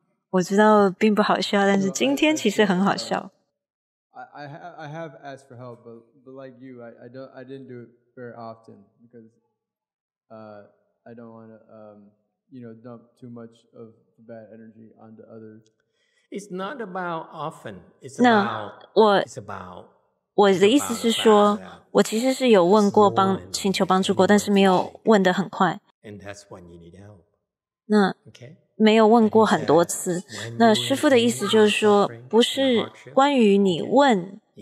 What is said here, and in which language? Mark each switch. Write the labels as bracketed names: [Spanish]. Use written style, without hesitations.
[Chinese] 我知道并不好笑，但是今天其实很好笑。 [English] I have asked for help, but like you, I didn't do it very often because I don't want to you know dump too much of bad energy onto others. It's not about often. It's about [Chinese] 我的意思是说，我其实是有问过帮请求帮助过，但是没有问得很快。 [English] And that's when you need help. 那 okay. [Chinese] 没有问过很多次，那师父的意思就是说，不是关于你问